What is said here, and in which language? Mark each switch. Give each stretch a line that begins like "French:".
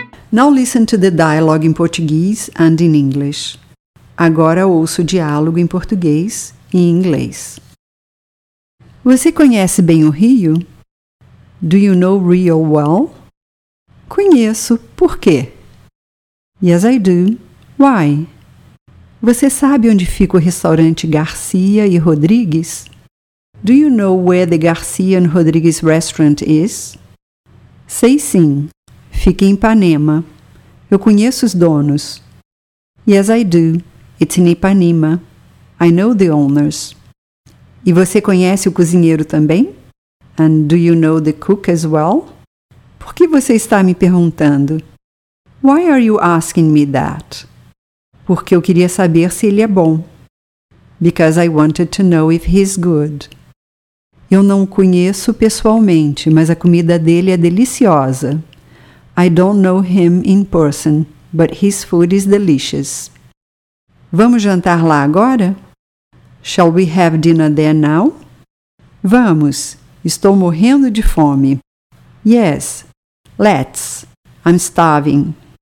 English: Now listen to the dialogue in Portuguese and in English.
Portuguese: Agora ouço o diálogo em português e em inglês. Você conhece bem o Rio?
English: Do you know Rio well?
Portuguese: Conheço. Por quê?
English: Yes, I do. Why?
Portuguese: Você sabe onde fica o restaurante Garcia e Rodrigues?
English: Do you know where the Garcia and Rodrigues restaurant is?
Portuguese: Sei sim. Fica em Ipanema. Eu conheço os donos.
English: Yes, I do. It's in Ipanema. I know the owners.
Portuguese: E você conhece o cozinheiro também?
English: And do you know the cook as well?
Portuguese: Por que você está me perguntando?
English: Why are you asking me that?
Portuguese: Porque eu queria saber se ele é bom.
English: Because I wanted to know if he's good.
Portuguese: Eu não o conheço pessoalmente, mas a comida dele é deliciosa.
English: I don't know him in person, but his food is delicious.
Portuguese: Vamos jantar lá agora?
English: Shall we have dinner there now?
Portuguese: Vamos. Estou morrendo de fome.
English: Yes. Let's. I'm starving.